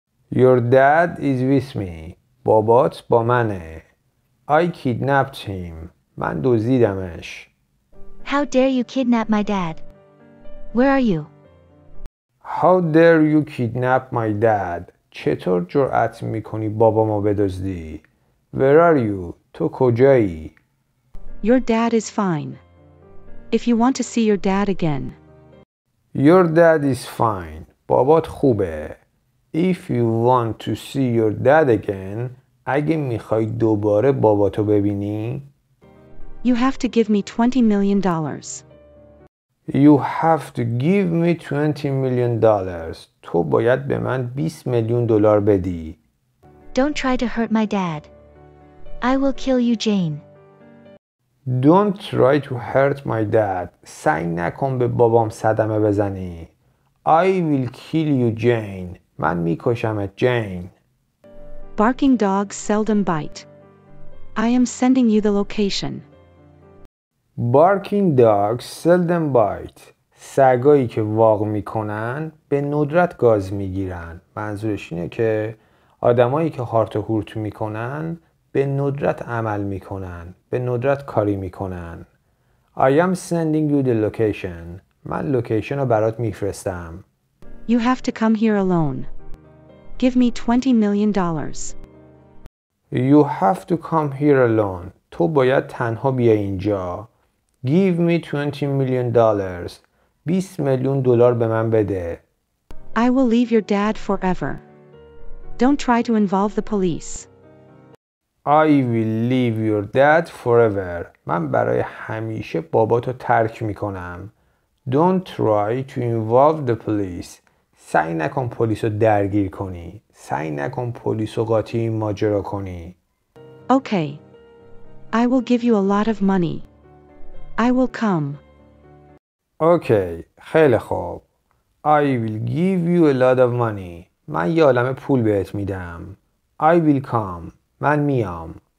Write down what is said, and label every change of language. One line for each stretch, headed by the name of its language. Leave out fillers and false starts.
English: Your dad is with me.
Persian: بابات با منه.
English: I kidnapped him.
Persian: من دزدیدمش.
English: How dare you kidnap my dad? Where are you? How dare you kidnap my dad?
Persian: چطور جرأت میکنی بابامو بدزدی؟
English: Where are you?
Persian: تو کجایی؟
English: Your dad is fine. If you want to see your dad again. Your dad is fine.
Persian: بابات خوبه.
English: If you want to see your dad again,
Persian: اگه میخوای دوباره باباتو ببینی؟
English: You have to give me $20 million. You have to give me $20 million.
Persian: تو باید به من 20 میلیون دلار بدی.
English: Don't try to hurt my dad. I will kill you, Jane. Don't try to hurt my dad.
Persian: سعی نکن به بابام صدمه بزنی.
English: I will kill you, Jane.
Persian: من میکشمت, Jane.
English: Barking dogs seldom bite. I am sending you the location. Barking dogs seldom bite.
Persian: سگایی که واق میکنن به ندرت گاز میگیرن. منظورش اینه که آدمایی که هارت و هورت میکنن به ندرت عمل میکنن، به ندرت کاری میکنن.
English: I am sending you the location.
Persian: من لوکیشن رو برات میفرستم.
English: You have to come here alone. Give me $20 million. You have to come here alone.
Persian: تو باید تنها بیای اینجا.
English: Give me $20 million.
Persian: 20 میلیون دلار به من بده.
English: I will leave your dad forever. Don't try to involve the police. I will leave your dad forever.
Persian: من برای همیشه باباتو ترک میکنم.
English: Don't try to involve the police.
Persian: سعی نکن پلیسو درگیر کنی. سعی نکن پلیسو قاطی این ماجرا کنی.
English: Okay. I will give you a lot of money. I will come. Okay.
Persian: خیلی خوب.
English: I will give you a lot of money.
Persian: من یه عالمه پول بهت میدم.
English: I will come.
Persian: من میام.